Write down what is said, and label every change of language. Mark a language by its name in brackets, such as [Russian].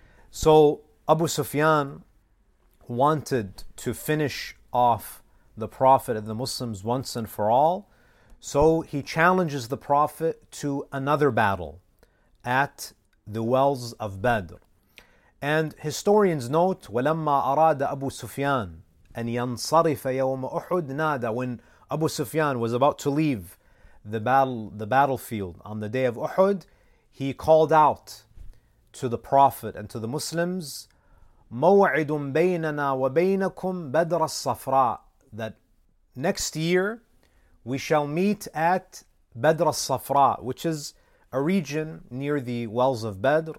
[English] So Abu Sufyan wanted to finish off the Prophet and the Muslims once and for all. So he challenges the Prophet to another battle at the wells of Badr. And historians note, [Arabic] وَلَمَّا أَرَادَ أَبُو سُفْيَانَ أَنْ يَنْصَرِفَ يَوْمَ أُحُدْ نَادَ. [English] When Abu Sufyan was about to leave the battlefield on the day of Uhud, he called out to the Prophet and to the Muslims, [Arabic] مَوْعِدٌ بَيْنَنَا وَبَيْنَكُمْ بَدْرَ الصَّفْرَى. [English] That next year we shall meet at Badr al-Safra, which is a region near the wells of Badr.